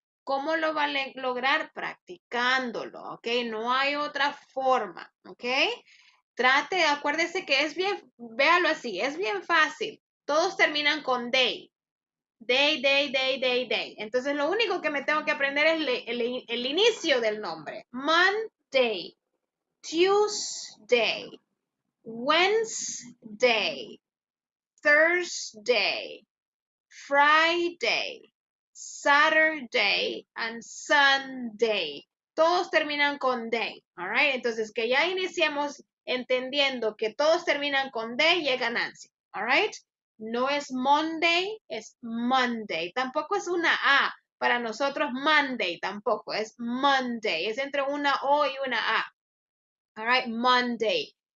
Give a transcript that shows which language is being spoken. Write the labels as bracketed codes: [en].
[es] ¿Cómo lo va a lograr? Practicándolo, okay, no hay otra forma, okay, trate, acuérdese que es bien, véalo así, es bien fácil, todos terminan con day. Day, day, day, day, day. Entonces, lo único que me tengo que aprender es el inicio del nombre. [en] Monday, Tuesday, Wednesday, Thursday, Friday, Saturday, and Sunday. [es] Todos terminan con day, all right? Entonces, que ya iniciemos entendiendo que todos terminan con day, llega Nancy, all right? No es Monday, es Monday. Tampoco es una A para nosotros, Monday, tampoco. Es Monday, es entre una O y una A. All right, Monday.